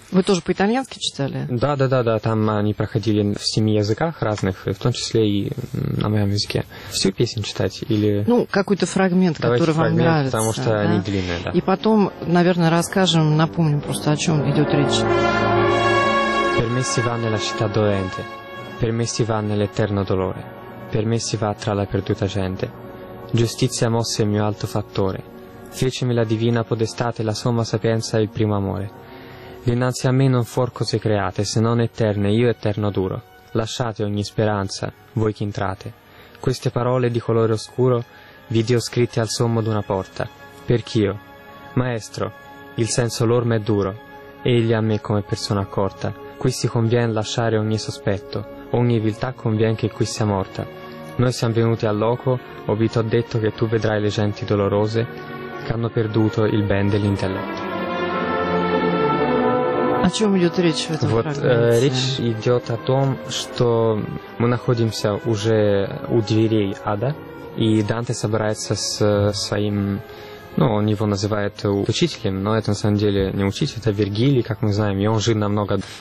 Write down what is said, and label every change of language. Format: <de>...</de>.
<ru>Вы тоже по-итальянски читали? Да. Там они проходили в 7 языках разных, в том числе и на моем языке. Всю песню читать или... Ну, какой-то фрагмент, давайте который фрагмент, вам нравится. Давайте потому что да? Они длинные, да. И потом, наверное, расскажем, напомним просто, о чем идет речь.</ru> <it>Per me si va nella città dolente, per me si va nell'eterno dolore, per me si va tra la perduta gente. Giustizia mosse il mio alto fattore, fecemi la divina podestate, la somma sapienza e il primo amore. Dinanzi a me non fuor cose create, se non eterne, io eterno duro. Lasciate ogni speranza, voi che entrate. Queste parole di colore oscuro, vidio scritte al sommo d'una porta. Perch'io, maestro, il senso l'orme è duro, egli a me come persona accorta. Qui si conviene lasciare ogni sospetto, ogni viltà conviene che qui sia morta. Noi siamo venuti al loco, o vi t'ho detto che tu vedrai le genti dolorose che hanno perduto il ben dell'intelletto.</it> <ru>О чем идет речь в этом вот, фрагменте? Речь идет о том, что мы находимся уже у дверей ада, и Данте собирается с своим... Ну, он его называет учителем, но это на самом деле не учитель, это Вергилий, как мы знаем. И он жил намного...</ru>